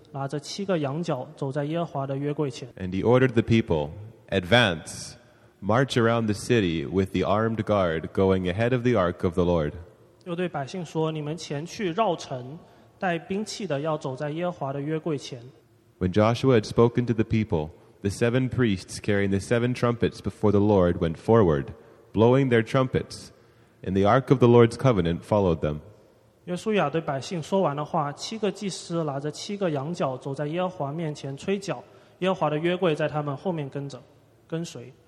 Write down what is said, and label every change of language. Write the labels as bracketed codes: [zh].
[zh] 嫩的儿子约书亚召了祭司来，吩咐他们说：“你们抬起约柜来，要有七个祭司拿着七个羊角走在耶和华的约柜前。” [en] And he ordered the people, "Advance, march around the city with the armed guard going ahead of the Ark of the Lord." [zh] 又对百姓说：“你们前去绕城，带兵器的要走在耶和华的约柜前。” [en] When Joshua had spoken to the people, the seven priests carrying the seven trumpets before the Lord went forward, blowing their trumpets, and the Ark of the Lord's covenant followed them. [zh] 约书亚对百姓说完的话，七个祭司拿着七个羊角走在耶和华面前吹角，耶和华的约柜在他们后面跟随。